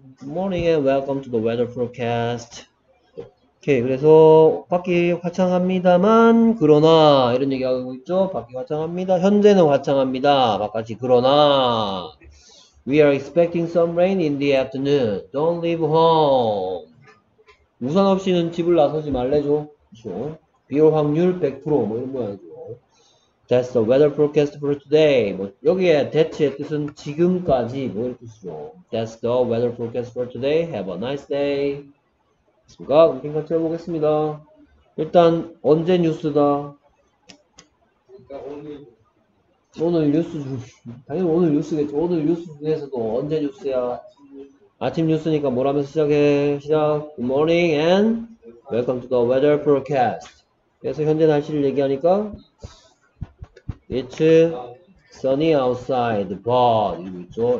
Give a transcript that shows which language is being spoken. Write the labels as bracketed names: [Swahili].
[English] Good morning and welcome to the weather forecast. [Korean] 오케이. 그래서 밖이 화창합니다만 그러나 이런 얘기하고 있죠. 밖이 화창합니다. 현재는 화창합니다. 바깥이 그러나 [English] We are expecting some rain in the afternoon. Don't leave home. [Korean] 우산 없이는 집을 나서지 말래죠. 그렇죠? 비 올 확률 100% 뭐 이런 모양이죠. [English] That's the weather forecast for today. [Korean] 뭐 여기에 that의 뜻은 지금까지 뭐 이런 뜻이죠. [English] That's the weather forecast for today. Have a nice day. [Korean] 됐습니까? 우리 생각 해보겠습니다. 일단 언제 뉴스다? 그러니까 오늘 뉴스 중, 당연히 오늘 뉴스겠죠. 오늘 뉴스 중에서도 언제 뉴스야? 아침 뉴스니까 뭐라면서 시작해? 시작. [English] Good morning and welcome to the weather forecast. [Korean] 그래서 현재 날씨를 얘기하니까 [English] It's sunny outside but [Korean] 이거 있죠?